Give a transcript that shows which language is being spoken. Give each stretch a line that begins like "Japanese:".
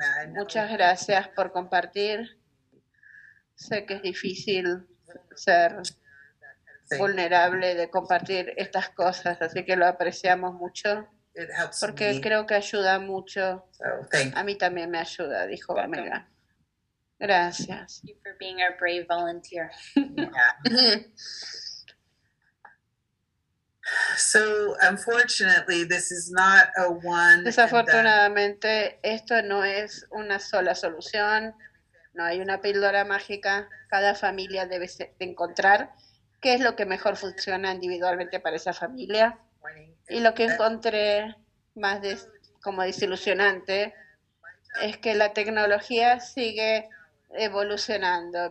Spanish: Muchas gracias por compartir. Sé que es difícil ser vulnerable de compartir estas cosas, así que lo apreciamos mucho. Porque creo que ayuda mucho. A mí también me ayuda, dijo Omega. Gracias.
English: Thank you for being our brave volunteer. So, unfortunately, this is not a one.
Spanish: Desafortunadamente, esto no es una sola solución. No hay una píldora mágica. Cada familia debe encontrar qué es lo que mejor funciona individualmente para esa familia. Y lo que encontré más como desilusionante es que la tecnología sigue evolucionando.